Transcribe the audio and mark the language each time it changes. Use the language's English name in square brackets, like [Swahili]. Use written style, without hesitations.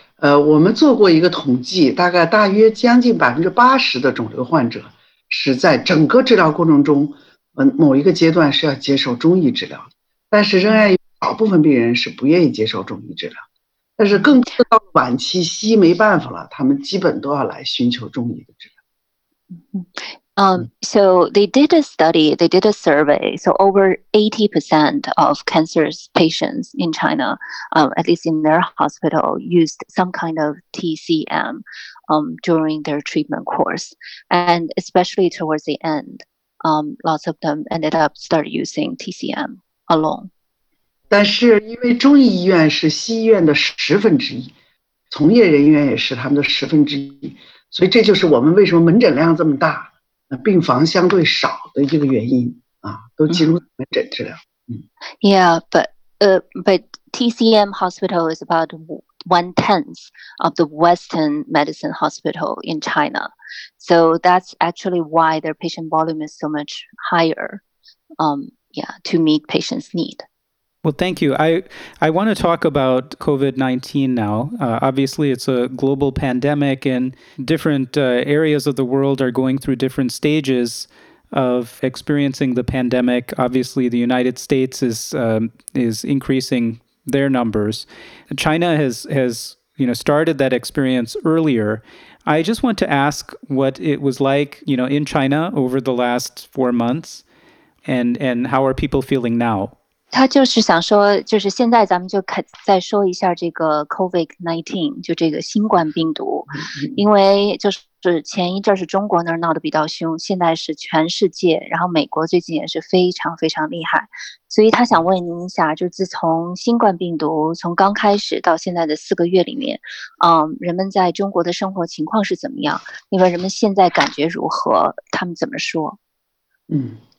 [Chinese] 我们做过一个统计，大概大约将近 80% 的肿瘤患者是在整个治疗过程中，某一个阶段是要接受中医治疗，但是仍然有少部分病人是不愿意接受中医治疗，但是更到晚期，西医没办法了，他们基本都要来寻求中医的治疗。 [English] So they did a study, they did a survey. So over 80% of cancer patients in China, at least in their hospital, used some kind of TCM during their treatment course. And especially towards the end, lots of them ended up start using TCM alone. [Chinese] 但是因为中医医院是西医院的十分之一, 从业人员也是他们的十分之一, 所以这就是我们为什么门诊量这么大, 病房相对少的一个原因啊，都集中门诊治疗。嗯， [English] Yeah, but TCM hospital is about one tenth of the Western medicine hospital in China, so that's actually why their patient volume is so much higher. To meet patients' need. Well, thank you. I want to talk about COVID-19 now. Obviously, it's a global pandemic and different areas of the world are going through different stages of experiencing the pandemic. Obviously, the United States is increasing their numbers. China has started that experience earlier. I just want to ask what it was like, you know, in China over the last 4 months and how are people feeling now? [Chinese] 他就是想说，就是现在咱们就再说一下这个 COVID-19， 就这个新冠病毒，因为就是前一阵是中国那儿闹得比较凶，现在是全世界，然后美国最近也是非常非常厉害，所以他想问您一下，就自从新冠病毒从刚开始到现在的四个月里面，人们在中国的生活情况是怎么样？那么人们现在感觉如何？他们怎么说？嗯。